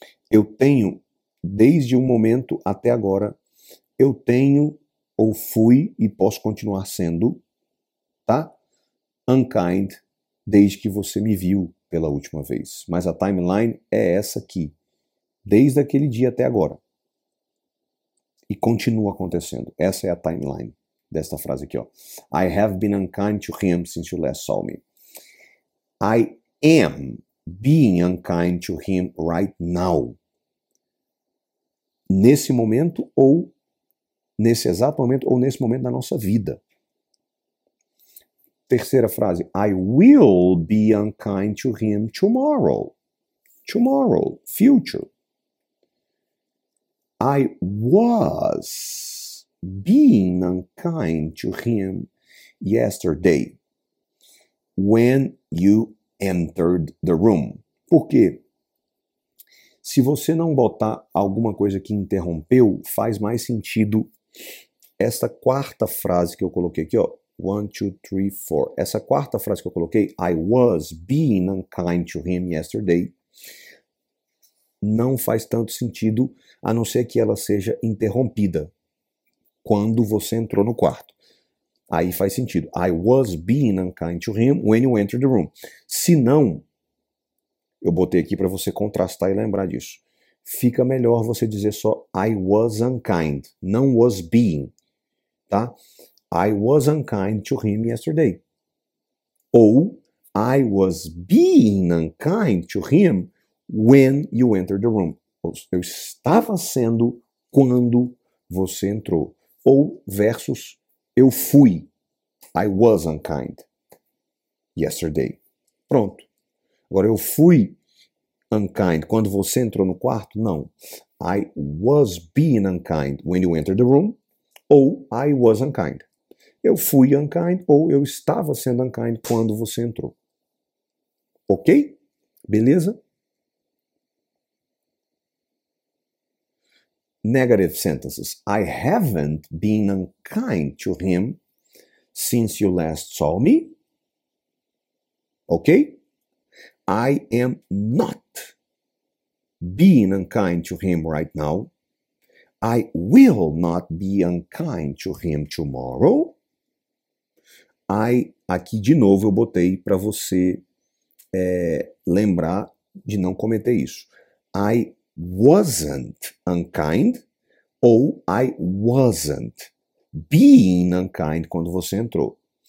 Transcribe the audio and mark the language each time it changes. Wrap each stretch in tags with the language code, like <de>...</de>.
<pt>Eu tenho, desde um momento até agora, eu tenho ou fui e posso continuar sendo, tá? Unkind, desde que você me viu. pela última vez. Mas a timeline é essa aqui, desde aquele dia até agora. E continua acontecendo. Essa é a timeline desta frase aqui, ó.</pt> <en>I have been unkind to him since you last saw me. I am being unkind to him right now.</en> <pt>Nesse momento, ou nesse exato momento, ou nesse momento da nossa vida. Terceira frase.</pt> <en>I will be unkind to him tomorrow. Tomorrow, future. I was being unkind to him yesterday when you entered the room.</en> <pt>Por quê? Se você não botar alguma coisa que interrompeu, faz mais sentido esta quarta frase que eu coloquei aqui, ó.</pt> <en>One, two, three, four.</en> <pt>Essa quarta frase que eu coloquei,</pt> <en>I was being unkind to him yesterday,</en> <pt>não faz tanto sentido, a não ser que ela seja interrompida quando você entrou no quarto. Aí faz sentido.</pt> <en>I was being unkind to him when you entered the room.</en> <pt>Se não, eu botei aqui para você contrastar e lembrar disso. Fica melhor você dizer só</pt> <en>I was unkind,</en> <pt>não</pt> <en>was being,</en> <pt>tá?</pt> <en>I was unkind to him yesterday. Ou I was being unkind to him when you entered the room.</en> <pt>Eu estava sendo quando você entrou. Ou versus eu fui.</pt> <en>I was unkind yesterday.</en> <pt>Pronto. Agora, eu fui unkind quando você entrou no quarto? Não.</pt> <en>I was being unkind when you entered the room. Ou I was unkind.</en> <pt>Eu fui unkind ou eu estava sendo unkind quando você entrou. Ok? Beleza?</pt> <en>Negative sentences. I haven't been unkind to him since you last saw me. Ok? I am not being unkind to him right now. I will not be unkind to him tomorrow.</en> <pt>Aqui de novo eu botei para você lembrar de não cometer isso.</pt> <en>I wasn't unkind. Ou I wasn't being unkind</en> <pt>quando você entrou.</pt>